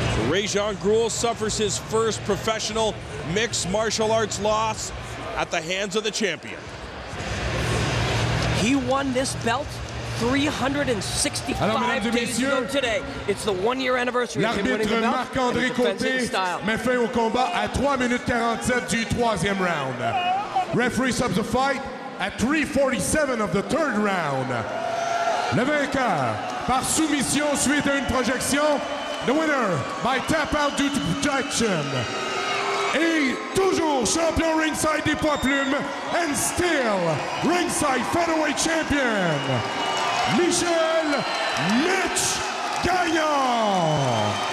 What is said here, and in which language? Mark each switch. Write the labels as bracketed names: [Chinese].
[English] Rejean Groulx suffers his first professional mixed martial arts loss at the hands of the champion. He won this belt 365 days ago today. It's the one-year anniversary of him winning the belt. [French] Marc-André Côté met fin au combat à 3 minutes 47 du troisième round. [English] Referee stops the fight at 3:47 of the third round. [French] Le vainqueur par soumission suite à une projection. [English] The winner by tap out due to projection. [French] Et toujours champion ringside des poids plumes [English] and still ringside featherweight champion. [French] Michel Mitch Gagnon.